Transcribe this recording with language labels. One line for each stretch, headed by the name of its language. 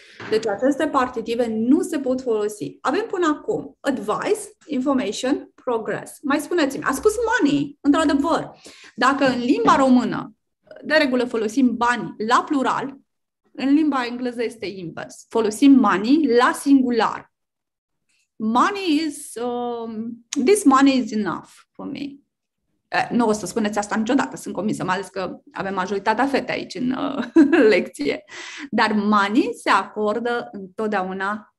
Romanian: Deci aceste partitive nu se pot folosi. Avem până acum advice, information, progress. Mai spuneți-mi, a spus money, într-adevăr. Dacă în limba română, de regulă, folosim bani la plural, în limba engleză este invers. Folosim money la singular.
English: Money is, this money is enough for me.
Romanian: Nu o să spuneți asta niciodată, sunt convinsă, mai ales că avem majoritatea fete aici în lecție. Dar money se acordă întotdeauna